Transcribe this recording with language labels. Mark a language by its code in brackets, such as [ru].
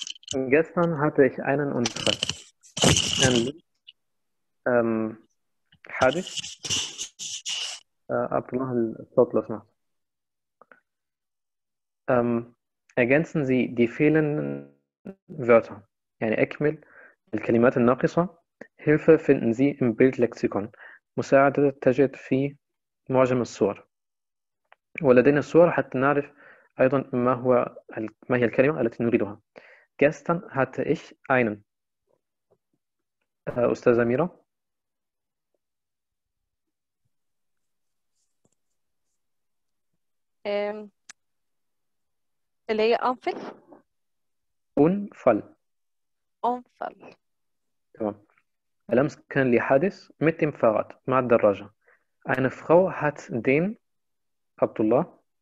[de] Gestern hatte ich einen Unfall. [ar] حادث. عبد الله الصوت لو سمحت. [de] Ergänzen Sie die fehlenden Wörter. [ar] يعني أكمل الكلمات الناقصة. [de] Hilfe finden Sie im Bildlexikon. [ar] مساعدة تجد في معجم الصور، ولدينا الصور حتى نعرف أيضا ما هو ما هي الكلمة التي نريدها. [de] Gestern hatte ich einen. [ar] أستاذ أميرة. اللي هي أنفل. أنفل. أنفل. تمام. الأمس كان لي حادث [de] mit dem Fahrrad، [ar] مع الدراجة. [de] Eine Frau hat den Abdullah.